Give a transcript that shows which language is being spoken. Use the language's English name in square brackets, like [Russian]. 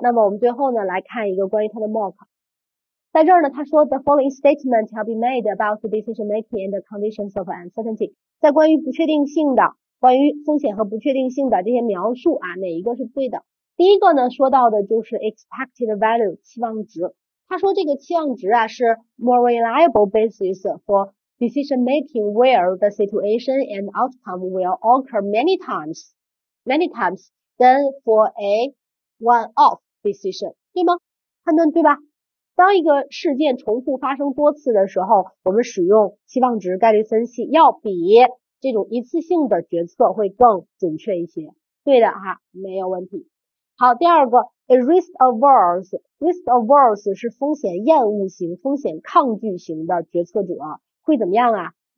[Chinese] 那么我们最后呢，来看一个关于它的 mock。在这儿呢，他说 [English] The following statement shall be made about the decision making and the conditions of uncertainty。 [Chinese] 在关于不确定性的、关于风险和不确定性的这些描述啊，哪一个是对的？第一个呢，说到的就是 expected value 期望值。他说这个期望值啊，是 [English] more reliable basis for decision making where the situation and outcome will occur many times than for a one-off decision， [Chinese] 对吗？判断对吧？当一个事件重复发生多次的时候，我们使用期望值概率分析要比这种一次性的决策会更准确一些，对的哈，没有问题。好，第二个 a risk averse 是风险厌恶型、风险抗拒型的决策者会怎么样啊？